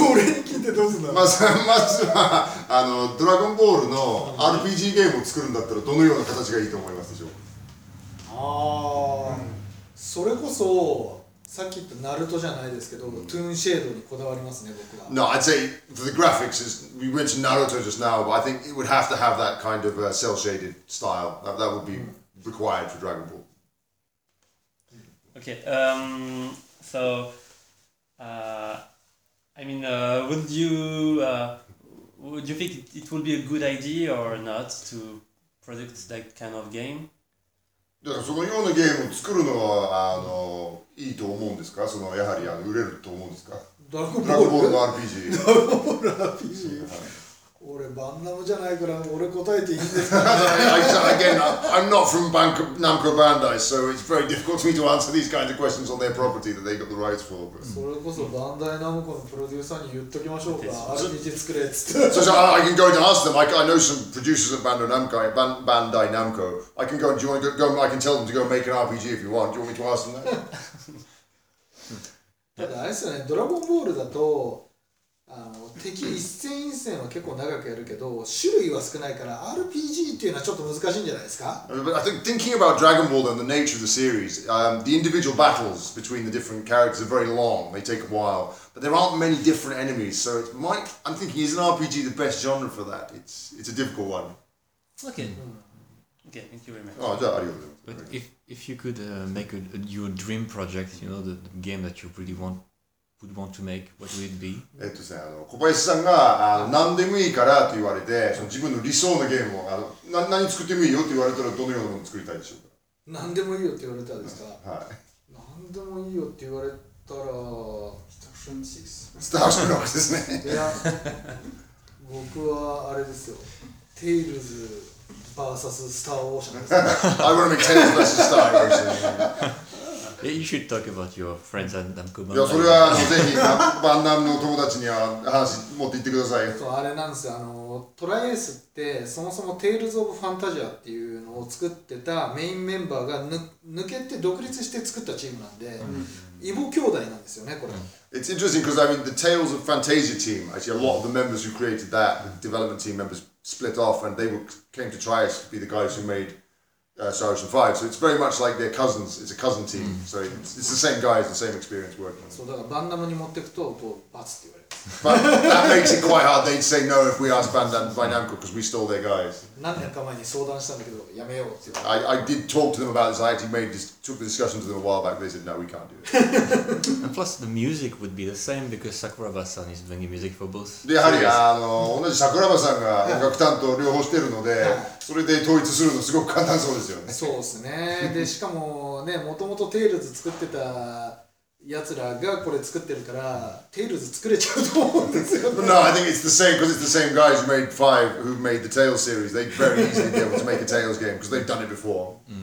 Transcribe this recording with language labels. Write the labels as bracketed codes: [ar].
[ja] 俺に聞いてどうすんだ。まずは、ドラゴンボールの RPG ゲームを作るんだったら、どのような形がいいと思いますでしょう。あー、それこそ、さっき言ったナルトじゃないですけど、トゥーンシェードにこだわりますね、僕は。 [en] No, I'd say for the graphics, is, we mentioned Naruto just now, but I think it would have to have that kind of cell shaded style. That would be required for Dragon Ball. Okay, so, I mean, would you think it would be a good idea or not to produce that kind of game? [ja] だからそのようなゲームを作るのはいいと思うんですか、そのやはり売れると思うんですか、ドラゴンボールの RPG。ドラゴンボール RPG、 俺バンナムじゃないから俺答えていいんですか。 [en] I said again, I'm not from Namco Bandai, so it's very difficult to me to answer these kinds of questions on their property that they got the rights for. [ja] それこそバンダイナムコのプロデューサーに言っときましょうか、RPG 作れっつって。 [en] So I can go and ask them. I know some producers of Bandai Namco. I can go and join. I can tell them to go make an RPG if you want. Do you want me to ask them that? [ja] ただあれですよね、ドラゴンボールだと敵一戦一戦は結構長くやるけど、種類は少ないから RPG っていうのはちょっと難しいんじゃないですか。 [en] But I think thinking about Dragon Ball and the nature of the series, the individual battles between the different characters are very long, they take a while, but there aren't many different enemies, so it might, I'm thinking, is an RPG the best genre for that? It's a difficult one. Okay, thank you very much. But if you could make your dream project, you know, the game that you really would want to make, what would it be? [ja] 小林さんが何でもいいからと言われて、その自分の理想のゲームを何作ってもいいよと言われたら、どのようなものを作りたいでしょうか。何でもいいよって言われたらですか。はい。何でもいいよって言われたら、スターシップ6ですね。いや、僕はあれですよ、テイルズ VS スターオーシャンです。 [en] I want to make Tales vs Star Ocean. Yeah, you should talk about your friends and Namco Bandai. [ja] それはぜひバンナムの友達には話持って行ってください。そう、あれなんですよ、トライエースってそもそもテイルズ・オブ・ファンタジアっていうのを作ってたメインメンバーが抜けて独立して作ったチームなんで、異母兄弟なんですよね、これ。 [en] It's interesting because I mean the Tales of Phantasia team, actually a lot of the members who created that, the development team members split off and they came to Trias to be the guys who made Star Ocean 5, so it's very much like their cousins, it's a cousin team, so it's the same guys, the same experience working on [ja] it. そう、だからバンダムに持ってくと、こう、バツって言われます。 [en] But that makes it quite hard, they'd say no if we ask Bandai Namco, because we stole their guys. [ja] 何年か前に相談したんだけど、やめようって言われた。 [en] I did talk to them about this, I actually took the discussion to them a while back, they said no, we can't do it. And plus the music would be the same, because Sakuraba-san is doing music for both. [ja] やはり、同じ Sakuraba-san が音楽担当両方してるので、それで統一するのすごく簡単そうですよね。そうですね。で、しかもね、もともとテイルズ作ってたやつらがこれ作ってるから、テイルズ作れちゃうと思うんですよ、ね。 [en] No, I think it's the same, because it's the same guys who made Five, who made the Tales series. They very easily be able to make a Tales game, because they've done it before.